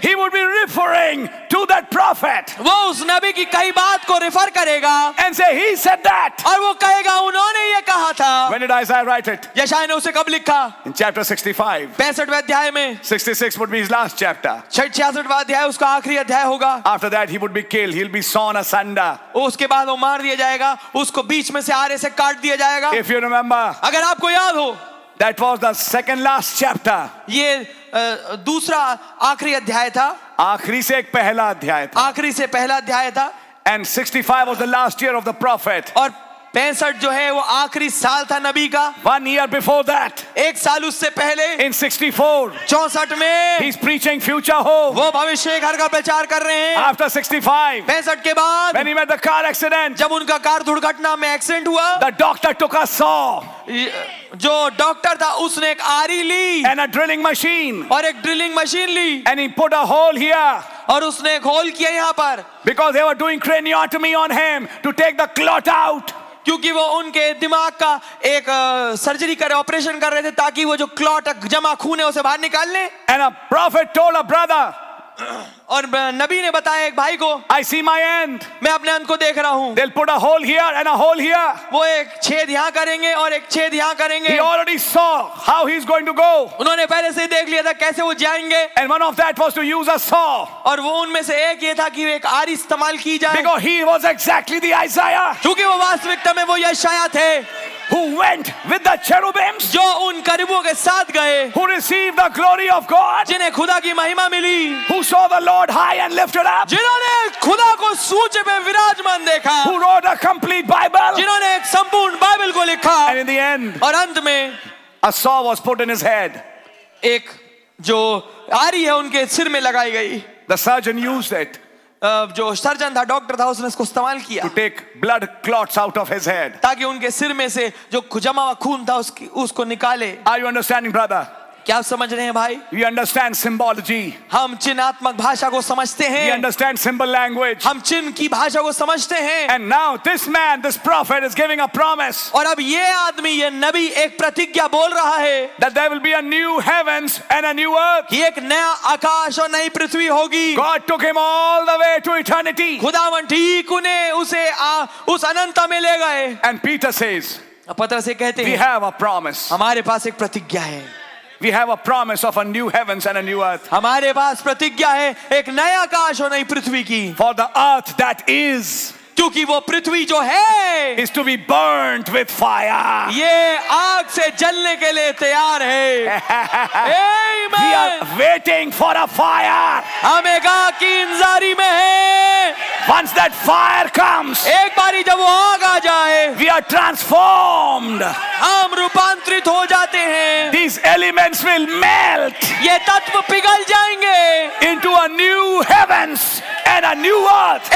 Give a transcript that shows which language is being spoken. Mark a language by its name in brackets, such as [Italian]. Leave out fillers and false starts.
[English] He would be referring to that prophet. [Hindi] वो उस नबी की कई बात को रिफर करेगा. [English] And say he said that. [Hindi] और वो कहेगा उन्होंने ये कहा था. [English] When did Isaiah write it? [Hindi] यशायाह ने उसे कब लिखा? [English] In chapter 65. [Hindi] 65वें अध्याय में. [English] 66 would be his last chapter. [Hindi] 66वां अध्याय उसका आखिरी अध्याय होगा. [English] After that he would be killed. He'll be sawn asunder. [Hindi] उसके बाद वो मार दिया जाएगा. उसको बीच में से आरे से काट दिया जाएगा. [English] If you remember. [Hindi] अगर आपको याद हो. [English] That was the second last chapter. [Hindi] ये दूसरा आखिरी अध्याय था. आखिरी से एक पहला अध्याय था. आखिरी से पहला अध्याय था. [English] And 65 was the last year of the prophet. [Hindi] और 65 जो है वो आखिरी साल था नबी का. [English] One year before that. [Hindi] एक साल उससे पहले. [English] In 64. [Hindi] 64 में. [English] He's preaching future hope. [Hindi] वो भविष्य घर का प्रचार कर रहे हैं. [English] After 65. [Hindi] 65 के बाद. [English] When he met the car accident. [Hindi] जब उनका कार दुर्घटना में एक्सीडेंट हुआ. [English] The doctor took a saw. [Hindi] जो डॉक्टर था उसने एक आरी ली. [English] And a drilling machine. [Hindi] और एक drilling machine Lee. [English] And he put a hole here. [Hindi] और उसने एक होल किया यहाँ पर. [English] Because they were doing craniotomy on him to take the clot out. [Hindi] क्योंकि वो उनके दिमाग का एक सर्जरी कर ऑपरेशन कर रहे थे ताकि वो जो क्लॉट जमा खून है उसे बाहर निकाल ले. [English] And a prophet told a brother. [Hindi] और नबी ने बताया एक भाई को. [English] I see my end. [Hindi] मैं अपने अंत को देख रहा हूँ. [English] They'll put a hole here and a hole here. [Hindi] वो एक छेद यहाँ करेंगे और एक छेद यहाँ करेंगे. [English] He already saw how he's going to go. [Hindi] उन्होंने पहले से देख लिया था कैसे वो जाएंगे. [English] And one of that was to use a saw. [Hindi] और वो उनमें से एक ये था कि एक आरी इस्तेमाल की जाए. [English] Because he was exactly the Isaiah. [Hindi] क्योंकि वो वास्तविकता में वो यशायाह थे. [English] Who went with the cherubims? [Hindi] जो उन करीबों के साथ गए. [English] Who received the glory of God? [Hindi] जिन्हें खुदा की महिमा मिली. [English] Who saw the Lord high and lifted up? [Hindi] जिन्होंने खुदा को सूचे पे विराजमान देखा. [English] Who wrote a complete Bible? [Hindi] जिन्होंने एक संपूर्ण बाइबल को लिखा. [English] And in the end, [Hindi] और अंत में, [English] a saw was put in his head. [Hindi] एक जो आरी है उनके सिर में लगाई गई. [English] The surgeon used it. [Hindi] जो सर्जन था डॉक्टर था उसने इसको इस्तेमाल किया. [English] To take blood clots out of his head. [Hindi] ताकि उनके सिर में से जो जमा हुआ खून था उसको निकाले. [English] Are you understanding, brother? [Hindi] क्या समझ रहे हैं भाई? [English] We understand symbology. [Hindi] हम चिन्हात्मक भाषा को समझते हैं. [English] We understand symbol language. [Hindi] हम चिन्ह की भाषा को समझते हैं. [English] And now this man, this prophet is giving a promise. [Hindi] और अब ये आदमी ये नबी एक प्रतिज्ञा बोल रहा है. [English] That there will be a new heavens and a new earth. [Hindi] कि एक नया आकाश और नई पृथ्वी होगी. [English] God took him all the way to eternity. [Hindi] खुदावन ठीक उन्हें उसे उस अनंत में ले गए. [English] And Peter says. [Hindi] पत्र से कहते [English] हैं. We have a promise. [Hindi] हमारे पास एक प्रतिज्ञा है. [English] We have a promise of a new heavens and a new earth. [Hindi] हमारे पास प्रतिज्ञा है एक नया आकाश और नई पृथ्वी की. [English] For the earth that is. [Hindi] क्योंकि वो पृथ्वी जो है. [English] Is to be burnt with fire. [Hindi] ये आग से जलने के लिए तैयार है. [English] Amen. We are waiting for a fire. [Hindi] हम एक आग की इंतजारी में हैं. [English] Once that fire comes. [Hindi] एक बारी जब वो आग आ जाए. [English] We are transformed. [Hindi] हम रूपांतरित हो जाते हैं. [English] These elements will melt. [Hindi] ये तत्व पिघल जाएंगे. [English] Into a new heavens and a new earth.